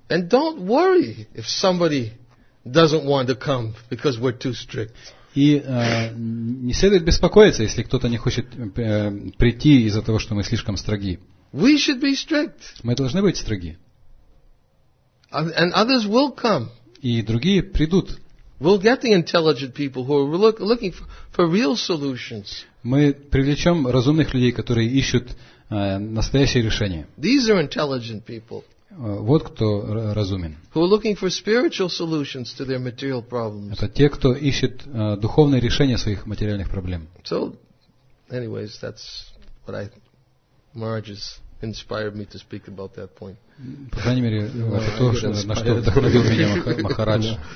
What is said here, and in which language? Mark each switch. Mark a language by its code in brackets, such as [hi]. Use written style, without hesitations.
[en] And don't worry if somebody doesn't want to come because we're too strict. [ru] И не следует беспокоиться, если кто-то не хочет прийти из-за того, что мы слишком строги. [en] We should be strict. [ru] Мы должны быть строги. [en] And others will come. [ru] И другие придут. [en] We'll get the intelligent people who are looking for real solutions. [ru] Мы привлечем разумных людей, которые ищут настоящие решения. [en] These are intelligent people. [ru] Вот кто разумен. [en] Who are looking for spiritual solutions to their material problems. [ru] Это те, кто ищет духовные решения своих материальных проблем. [en] So, anyways, that's what I. Maharaj has inspired me to speak about that point. [ru] По крайней мере, это то, на что вдохновил меня Махарадж.